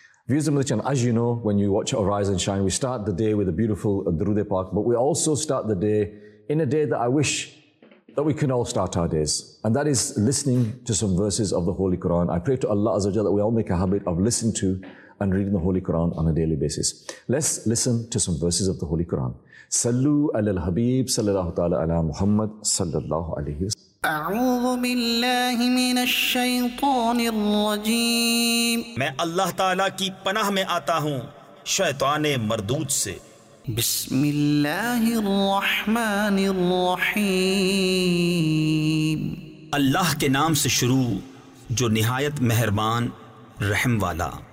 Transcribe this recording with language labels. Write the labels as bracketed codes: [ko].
[en] Viewers of the channel, as you know, when you watch Arise and Shine, we start the day with a beautiful Durood-e Pak, but we also start the day in a day that I wish that we can all start our days. And that is listening to some verses of the Holy Quran. I pray to Allah Azza wa Jalla that we all make a habit of listening to and reading the Holy Quran on a daily basis. Let's listen to some verses of the Holy Quran. [ar] Sallu alal Habib Sallallahu Ta'ala ala Muhammad Sallallahu Alaihi Wasallam. أعوذ بالله من الشيطان الرجيم [ur] میں اللہ تعالیٰ کی پناہ میں آتا ہوں شیطان مردود سے [ar] بسم اللہ الرحمن الرحیم [ur] اللہ کے نام سے شروع جو نہایت مہربان رحم والا